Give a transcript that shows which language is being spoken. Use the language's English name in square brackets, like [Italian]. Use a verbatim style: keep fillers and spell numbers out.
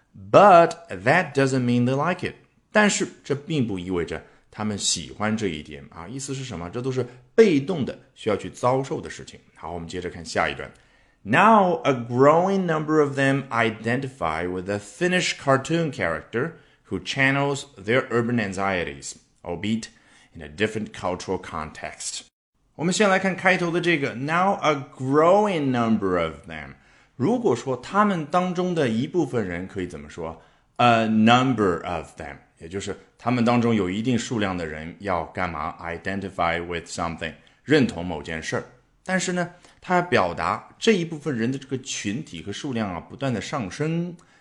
[English] but that doesn't mean they like it [Chinese] 但是这并不意味着他们喜欢这一点啊，意思是什么这都是被动的需要去遭受的事情好我们接着看下一段 [English] Now a growing number of them identify with a Finnish cartoon character who channels their urban anxieties, albeit in a different cultural context. [Chinese] 我们先来看开头的这个 [English] Now a growing number of them. [Chinese] 如果说他们当中的一部分人可以怎么说 [English] A number of them. [Chinese] 也就是他们当中有一定数量的人要干嘛 [English] Identify with something. [Chinese] 认同某件事。但是呢他表达这一部分人的这个群体和数量啊不断的上升。